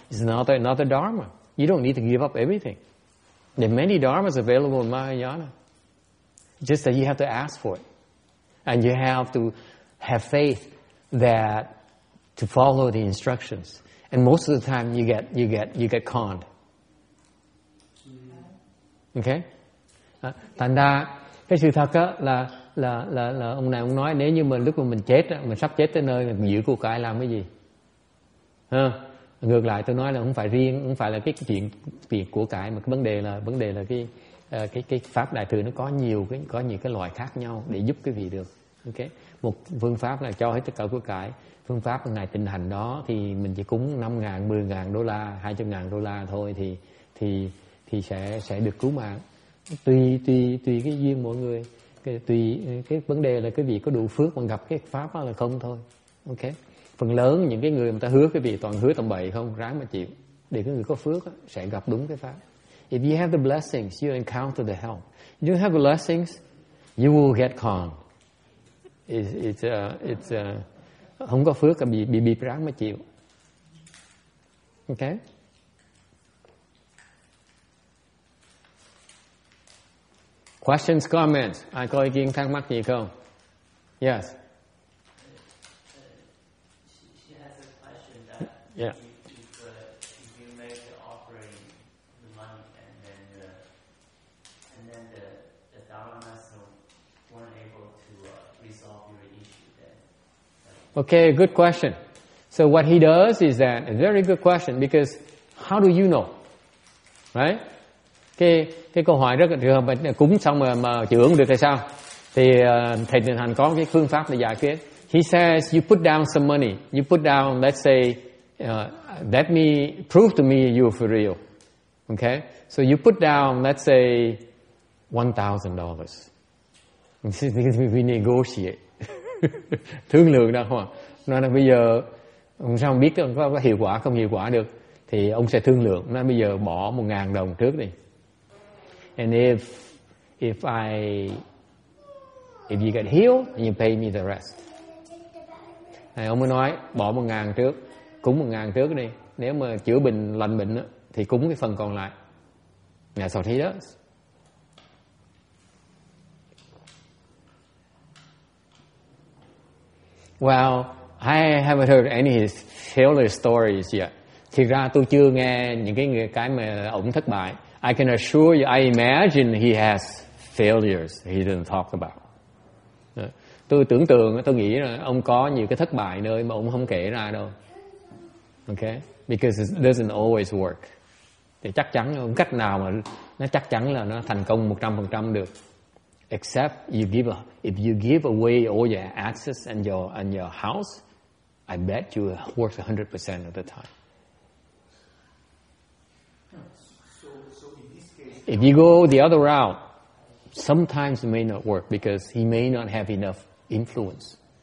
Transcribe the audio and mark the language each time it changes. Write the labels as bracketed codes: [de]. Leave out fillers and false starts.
[en] It's another dharma. You don't need to give up everything. There are many dharmas available in Mahayana. Just that you have to ask for it. And you have to have faith that to follow the instructions. And most of the time you get conned. Okay? [vi] Thành ra, cái sự thật là ông này ông nói nếu như mà lúc mà mình chết, mình sắp chết tới nơi, mình giữ của cải làm cái gì? Ngược lại tôi nói là không phải riêng, không phải là cái chuyện của cải, mà cái vấn đề là cái pháp đại thừa nó có nhiều cái loại khác nhau để giúp quý vị được. Ok, một phương pháp là cho hết tất cả của cải, phương pháp là ngày tịnh hành đó thì mình chỉ cúng 5.000, 10.000 đô la, 200.000 đô la thôi thì sẽ được cứu mạng. Tùy cái duyên mọi người, tùy cái vấn đề là quý vị có đủ phước mà gặp cái pháp đó là không thôi. Ok, phần lớn những cái người mà ta hứa cái gì toàn hứa tầm bậy không, ráng mà chịu. Để cái người có phước á, sẽ gặp đúng cái pháp. [en] If you have the blessings, you encounter the help. If you have the blessings, you will get conned. It's [vi] không có phước thì bị ráng mà chịu. Okay. [en] Questions, comments. [vi] Ai có ý kiến thắc mắc gì không? [en] Yes. Yeah. If you make the offering, the money, and then the Dharma weren't able to resolve your issue, then. Okay, good question. So what he does is that a very good question, because how do you know, right? [vi] Cái câu hỏi rất là trường hợp mà cúng xong mà chữa không được thì sao? Thì thầy Tịnh Hành có cái phương pháp để giải quyết. [en] He says you put down some money. You put down, let's say. Let me prove to me you're for real. Okay? So you put down, let's say, $1,000. Because we negotiate. [vi] Thương lượng đó không ạ? Nói là bây giờ, ông sao ông biết có hiệu quả, không hiệu quả được. Thì ông sẽ thương lượng. Nói bây giờ bỏ 1.000 đồng trước đi. [en] And if you get healed, you pay me the rest. [vi] Này, ông mới nói, bỏ 1.000 trước. Cúng 1.000 trước đi, nếu mà chữa bệnh lành bệnh đó, thì cúng cái phần còn lại. [en] That's what he does. Well, I haven't heard any failure stories yet. [vi] Thực ra tôi chưa nghe những cái mà ổng thất bại. [en] I can assure you, I imagine he has failures he didn't talk about. [vi] Tôi tưởng tượng, tôi nghĩ là ông có nhiều cái thất bại nơi mà ông không kể ra đâu. [en] Okay? Because it doesn't always work. [vi] Thì chắc chắn không cách nào mà nó chắc chắn là nó thành công 100% được. [en] Except if you give away all your access and your house, I bet you it works 100% of the time. If you go the other route, sometimes it may not work because he may not have enough influence,